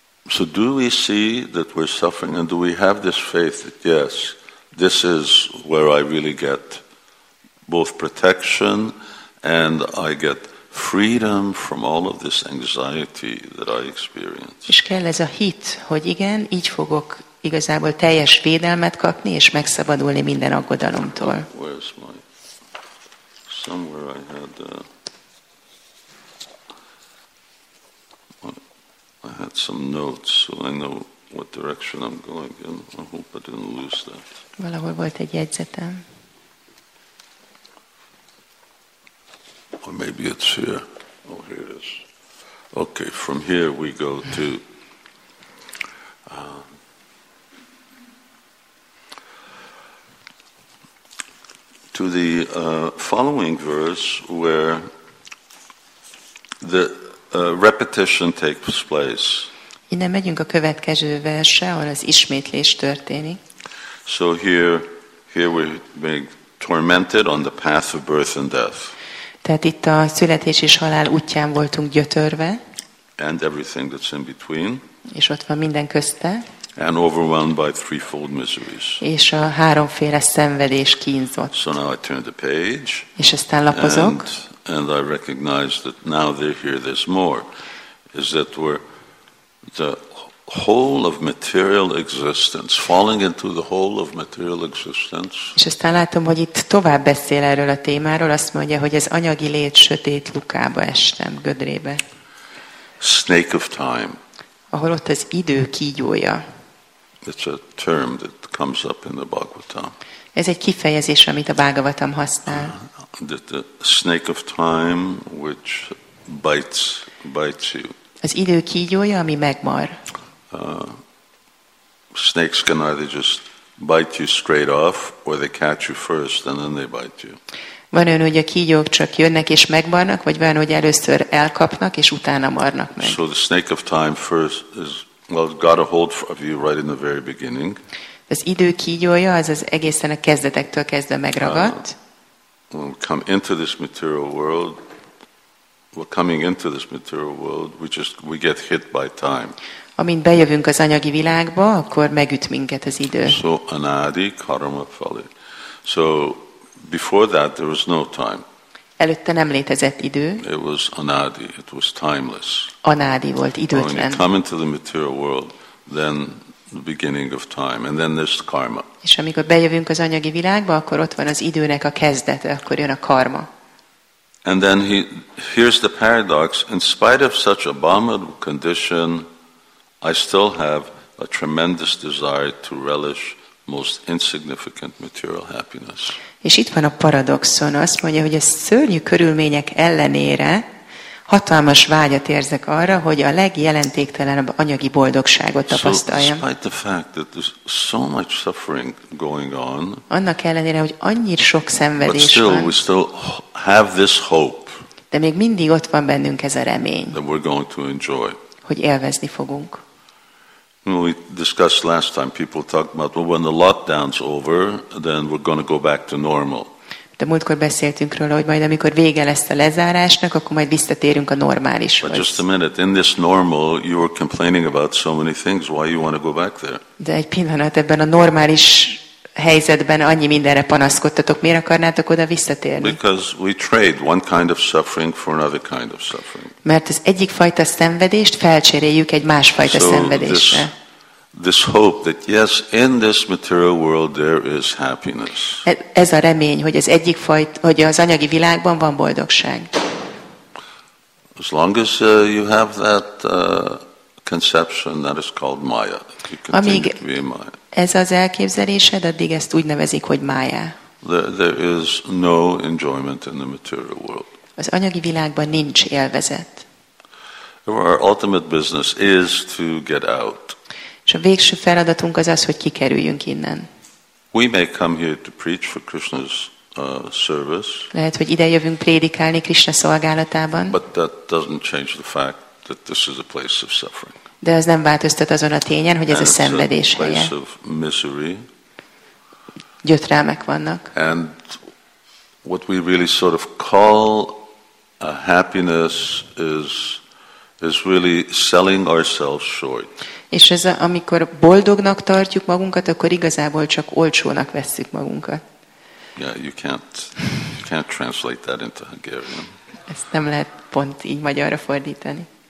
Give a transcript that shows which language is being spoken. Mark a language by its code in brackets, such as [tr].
[en] So do we see that we're suffering, and do we have this faith that yes, this is where I really get both protection and I get freedom from all of this anxiety that I experience. [hu] És kell ez a hit, hogy igen, így fogok igazából teljes védelmet kapni és megszabadulni minden aggodalomtól. [en] Where's my? Somewhere I had. I had some notes, so I know what direction I'm going in. I hope I didn't lose that. [hu] Valahol volt egy jegyzetem. [en] Or maybe it's here. Oh, here it is. Okay, from here we go to... to the following verse where the... repetition takes place. [hu] Innen megyünk a következő verse, ahol az ismétlés történik. [en] So here we're being tormented on the path of birth and death. [hu] Tehát itt a születés és halál útján voltunk gyötörve. [en] And everything that's in between. [hu] És ott van minden közte. [en] And overwhelmed by threefold miseries. [hu] És a háromféle szenvedés kínzott. [en] So now I turn the page. [hu] És aztán lapozok. [en] And I recognize that now they hear this more, is that we're the whole of material existence, falling into the whole of material existence. [hu] És aztán látom, hogy itt tovább beszél erről a témáról, azt mondja, hogy az anyagi lét sötét lukába estem, gödrébe. [en] Snake of time. [hu] Ahol ott az idő kígyója. [en] It's a term that comes up in the Bhagavatam. [hu] Ez egy kifejezés, amit a Bhagavatam használ. [en] That the snake of time which bites you. [hu] Az idő kígyója, ami megmar. [en] Snakes can either just bite you straight off, or they catch you first and then they bite you. [hu] Van olyan, hogy a kígyók csak jönnek és megmarnak, vagy van, hogy először elkapnak és utána marnak meg. [en] So the snake of time first is well got a hold of you right in the very beginning. [hu] Az idő kígyója az egészen a kezdetektől kezdve megragadt. [en] When we come into this material world, we're coming into this material world, we get hit by time. [hu] Amint bejövünk az anyagi világba, akkor megüt minket az idő. [sa] So anadi karma phali. [en] So before that there was no time. [hu] Előtte nem létezett idő. [en] It was anadi. It was timeless. [hu] Anadi volt, időtlen. [en] When you come into the material world, then the beginning of time, and then there's the karma. [hu] És amikor bejövünk az anyagi világba, akkor ott van az időnek a kezdete, akkor jön a karma. [en] And then here's the paradox. In spite of such abominable condition, I still have a tremendous desire to relish most insignificant material happiness. [hu] És itt van a paradoxon. Azt mondja, hogy a szörnyű körülmények ellenére hatalmas vágyat érzek arra, hogy a legjelentéktelenebb anyagi boldogságot tapasztaljam. [en] So, despite the fact that there's so much suffering going on, [hu] annak ellenére, hogy annyi sok szenvedés [en] but still, [hu] van, [en] we still have this hope, [hu] de még mindig ott van bennünk ez a remény, [en] that we're going to enjoy. [hu] Hogy élvezni fogunk. [en] We discussed last time, people talked about, well, when the lockdown's over, then we're going to go back to normal. [hu] De múltkor beszéltünk róla, hogy majd amikor vége lesz a lezárásnak, akkor majd visszatérünk a normálishoz. [en] But just a minute, in this normal, you were complaining about so many things. Why you want to go back there? [hu] De egy pillanat, ebben a normális helyzetben annyi mindenre panaszkodtatok. Miért akarnátok oda visszatérni? [en] Because we trade one kind of suffering for another kind of suffering. [hu] Mert az egyik fajta szenvedést felcseréljük egy másfajta szenvedésre. [en] This hope that yes, in this material world there is happiness. [hu] Ez a remény, hogy az egyik fajt, hogy az anyagi világban van boldogság. [en] As long as you have that conception that is called Maya. [hu] Amíg ez az elképzelésed, addig ezt úgy nevezik, hogy Maya. [en] There is no enjoyment in the material world. [hu] Az anyagi világban nincs élvezet. [en] Our ultimate business is to get out. [hu] És a végső feladatunk az az, hogy kikerüljünk innen. [en] We may come here to preach for Krishna's service. [hu] Lehet, hogy ide jövünk prédikálni Krishna szolgálatában. [en] But that doesn't change the fact that this is a place of suffering. [hu] De ez nem változtat azon a tényen, hogy ez a szenvedés helye. [en] And it's a place of misery. [hu] Gyötrelmek vannak. [en] And what we really sort of call a happiness is really selling ourselves short. [hu] És ez, amikor boldognak tartjuk magunkat, akkor igazából csak olcsónak vesszük magunkat. [en] Yeah, you can't translate that into Hungarian. [hu] Ezt nem lehet pont így magyarra fordítani.